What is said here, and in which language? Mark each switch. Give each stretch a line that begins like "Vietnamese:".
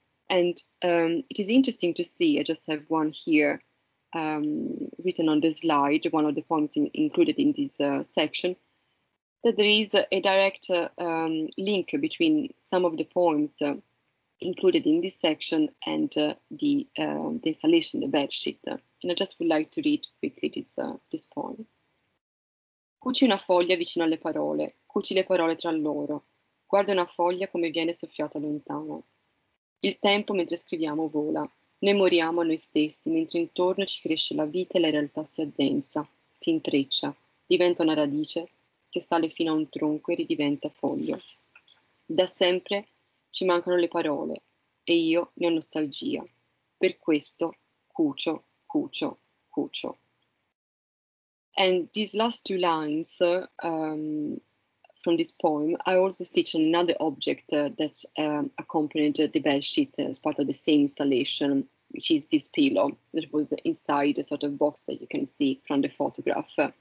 English: And it is interesting to see, I just have one here written on the slide, one of the poems included in this section, that there is a direct link between some of the poems included in this section and the installation, the bedsheet. And I just would like to read quickly this poem.
Italian: Cuci una foglia vicino alle parole, cuci le parole tra loro. Guarda una foglia come viene soffiata lontano. Il tempo mentre scriviamo vola. Noi moriamo a noi stessi mentre intorno ci cresce la vita e la realtà si addensa, si intreccia, diventa una radice che sale fino a un tronco e ridiventa foglio. Da sempre ci mancano le parole e io ne ho nostalgia. Per questo cucio. Cucio, cucio.
English: And these last two lines from this poem are also stitched on another object that accompanied the bedsheet as part of the same installation, which is this pillow that was inside a sort of box that you can see from the photograph.